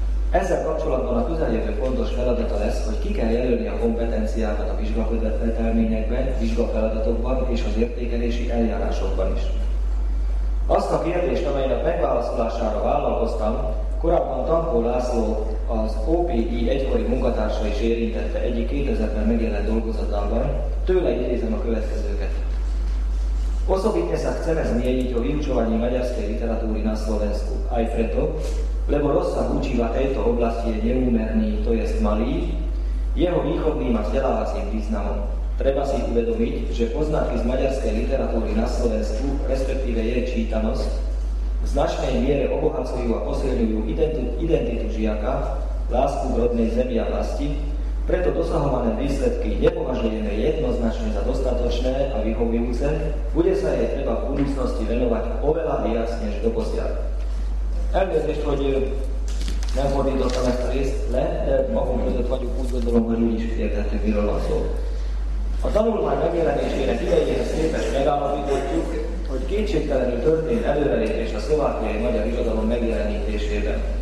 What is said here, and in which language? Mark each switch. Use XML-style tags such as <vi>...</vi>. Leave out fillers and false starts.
<hu>Ezzel kapcsolatban a közeljövő fontos feladata lesz, hogy ki kell jelölni a kompetenciákat a vizsgafeladatokban, vizsgafeladatokban és az értékelési eljárásokban is. Azt a kérdést, amelynek megválaszolására vállalkoztam, korábban Tankó László, az OPI egykori munkatársa is érintette egyik 2000-ben megjelent dolgozatában, tőle idézem a következőket.</hu> <sk>Osobitne sa chceme zmieniť o vyučovaní maďarskej literatúry na Slovensku. Aj preto, lebo rozsah učiva tejto oblasti je neúmerný, to jest malý, jeho výchovným a vzdelávacím významom. Treba si uvedomiť, že poznatky z maďarskej literatúry na Slovensku, respektíve jej čítanosť, v značnej miere obohacujú a posilňujú identitu žiaka, lásku k rodnej zemi a vlasti, preto dosahované výsledky nepovažujeme jednoznačne za dostatočné a vyhovujúce, bude sa jej treba v budúcnosti venovať oveľa viac než doposiaľ.</sk> <hu>Elnézést, hogy nem fordítottam ezt a részt le, de magam között vagyok, úgy gondolom, hogy úgyis értettük, miről van szó. A tanulmány megjelenésének idejére szépes megállapítottuk, hogy kétségtelenül történt előrelépés a szlovákiai magyar irodalom megjelenítésében.</hu>